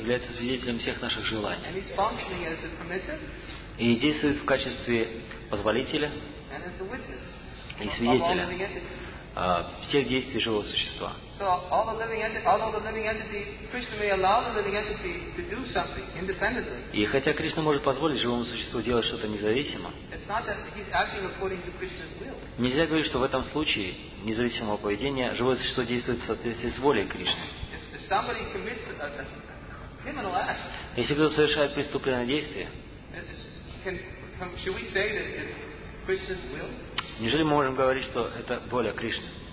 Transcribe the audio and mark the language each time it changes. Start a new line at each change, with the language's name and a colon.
Russian: является свидетелем всех наших желаний.
English: And he's functioning as the permitter.
Russian: И действует в качестве позволителя
English: and as the witness
Russian: и свидетеля всех действий живого существа.
English: So all the living entity, Krishna may allow the living entity to do something independently.
Russian: И хотя Кришна может позволить живому существу делать что-то независимо,
English: it's not that he's acting according to Krishna's will.
Russian: Нельзя говорить, что в этом случае независимого поведения живое существо действует в соответствии с волей Кришны.
English: If somebody commits a criminal act,
Russian: если кто-то совершает преступленное действие,
English: should we say that it's Krishna's will?
Russian: Неужели мы можем говорить, что это воля Кришны?